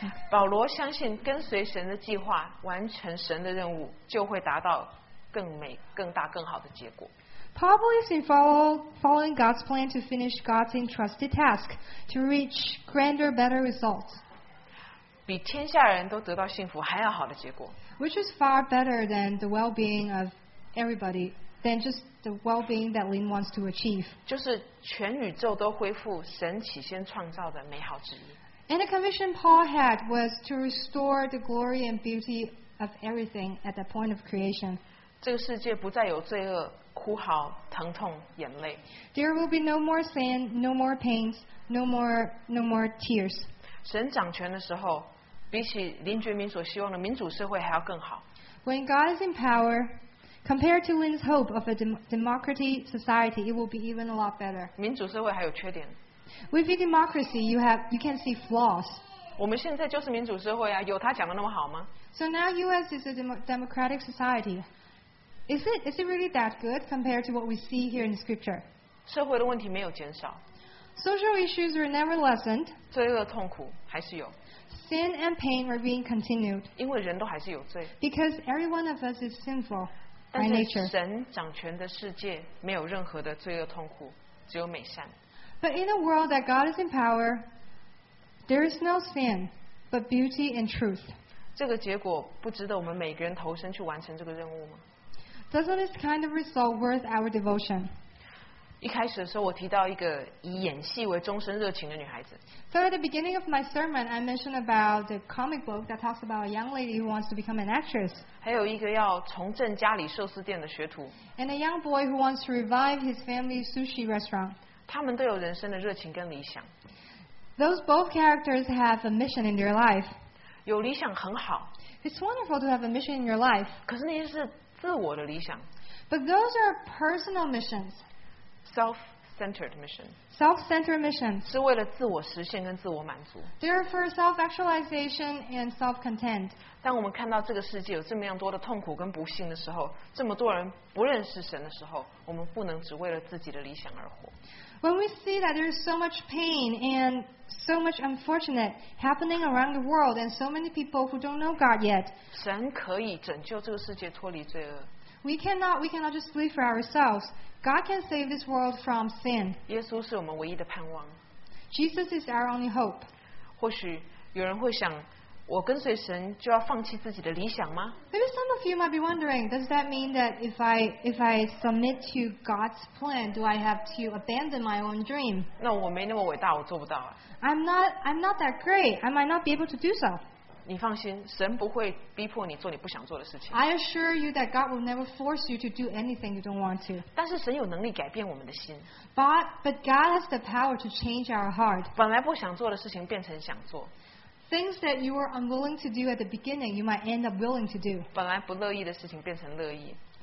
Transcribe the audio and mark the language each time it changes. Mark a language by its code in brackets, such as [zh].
[zh] 保罗相信跟随神的计划，完成神的任务，就会达到更美、更大、更好的结果。 [en] Paul believes in following God's plan to finish God's entrusted task to reach grander, better results. [zh] 比天下人都得到幸福还要好的结果。 [en] Which is far better than the well-being of everybody, than just the well-being that Lin wants to achieve. [zh] 就是全宇宙都恢复神起先创造的美好旨意。 [en] And the commission Paul had was to restore the glory and beauty of everything at the point of creation. [zh] 这个世界不再有罪恶、哭嚎、疼痛、眼泪。 [en] There will be no more sin, no more pains, no more tears. [zh] 神掌权的时候，比起林觉民所希望的民主社会还要更好。 [en] When God is in power, compared to Lin's hope of a democracy society, it will be even a lot better. [zh] 民主社会还有缺点。 [en] With a democracy, you can see flaws. [zh] 我们现在就是民主社会啊，有他讲的那么好吗 [en] ？So now U.S. is a democratic society. Is it really that good compared to what we see here in the scripture? [zh] 社会的问题没有减少。 [en] Social issues are never lessened. [zh] 罪恶痛苦还是有。 [en] Sin and pain are being continued. [zh] 因为人都还是有罪。 [en] Because every one of us is sinful. By nature. [zh] 但是神掌权的世界没有任何的罪恶痛苦，只有美善。 [en] But in a world that God is in power, there is no sin, but beauty and truth. [zh] 这个结果不值得我们每个人投身去完成这个任务吗？ [en] Doesn't this kind of result worth our devotion? [zh] 一开始的时候，我提到一个以演戏为终身热情的女孩子。 [en] So at the beginning of my sermon, I mentioned about the comic book that talks about a young lady who wants to become an actress. [zh] 还有一个要重振家里寿司店的学徒。 [en] And a young boy who wants to revive his family's sushi restaurant. [zh] 他们都有人生的热情跟理想。 [en] Those both characters have a mission in their life. [zh] 有理想很好。 [en] It's wonderful to have a mission in your life. [zh] 可是那些是自我的理想。 [en] But those are personal missions. Self-centered mission. Self-centered mission. [zh] 是为了自我实现跟自我满足。 [en] They're for self-actualization and self-content. [zh] 当我们看到这个世界有这么样多的痛苦跟不幸的时候，这么多人不认识神的时候，我们不能只为了自己的理想而活。 [en] When we see that there's so much pain and so much unfortunate happening around the world and so many people who don't know God yet, [zh] 神可以拯救这个世界脱离罪恶。 [en] We cannot just live for ourselves. God can save this world from sin. [zh] 耶稣是我们唯一的盼望。 [en] Jesus is our only hope. [zh] 或许有人会想，我跟随神就要放弃自己的理想吗？ [en] Maybe some of you might be wondering, does that mean that if I submit to God's plan, do I have to abandon my own dream? [zh] 那我没那么伟大，我做不到啊。 [en] I'm not that great. I might not be able to do so. [zh] 你放心，神不会逼迫你做你不想做的事情。 [en] I assure you that God will never force you to do anything you don't want to. [zh] 但是神有能力改变我们的心。 [en] But God has the power to change our heart. [zh] 本来不想做的事情变成想做。 [en] Things that you were unwilling to do at the beginning, you might end up willing to do. [zh] 本来不乐意的事情变成乐意。